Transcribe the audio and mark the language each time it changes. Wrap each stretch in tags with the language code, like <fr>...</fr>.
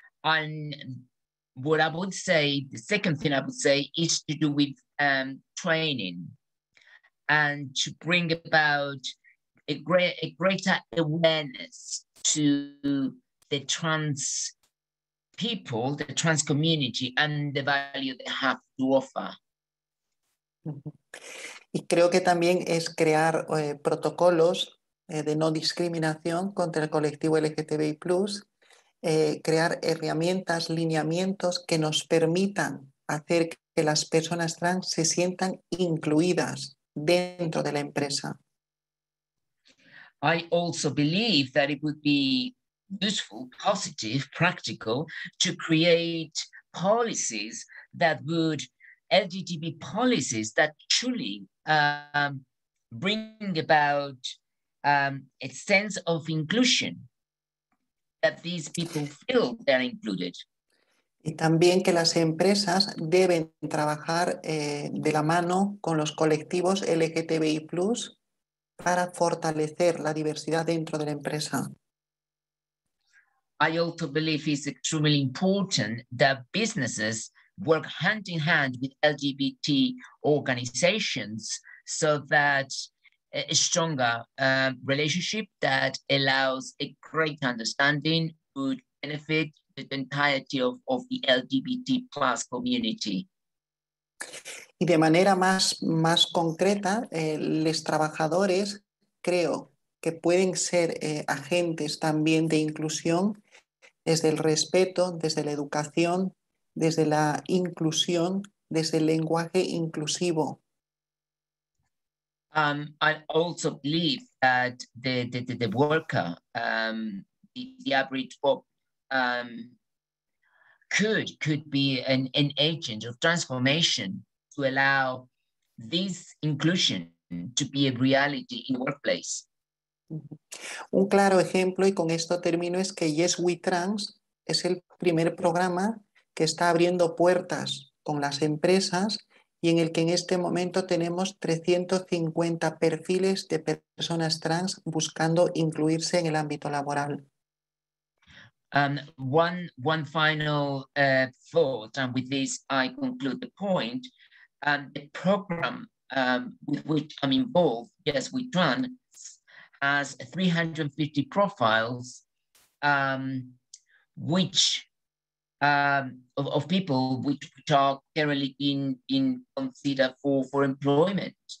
<en>And what I would say, the second thing I would say, is to do with training and to bring about a greater awareness to the trans people, the trans community, and the value they have to offer.</en> <es>Y creo que también es crear protocolos de no discriminación contra el colectivo LGTBI+. Crear herramientas, lineamientos que nos permitan hacer que las personas trans se sientan incluidas dentro de la empresa.</es> <en>I also believe that it would be useful, positive, practical to create policies that would, LGBT policies that truly bring about a sense of inclusion. That these people feel they are included.</en> <es>Y también que las empresas deben trabajar de la mano con los colectivos LGTBI+ para fortalecer la diversidad dentro de la empresa.</es> <en>I also believe it's extremely important that businesses work hand in hand with LGBT organizations so that a stronger relationship that allows a great understanding would benefit the entirety of the LGBT plus community.</en> <es>Y de manera más concreta, los trabajadores creo que pueden ser agentes también de inclusión desde el respeto, desde la educación, desde la inclusión, desde el lenguaje inclusivo.</es> <en>I also believe that the worker, the average could be an agent of transformation to allow this inclusion to be a reality in the workplace.</en> <es>Un claro ejemplo, y con esto termino, es que Yes We Trans es el primer programa que está abriendo puertas con las empresas y en el que en este momento tenemos 350 perfiles de personas trans buscando incluirse en el ámbito laboral.</es> <en>One final thought, and with this I conclude the point. The program with which I'm involved, Yes We Trans, has 350 profiles of people which are currently in consider for employment.</en>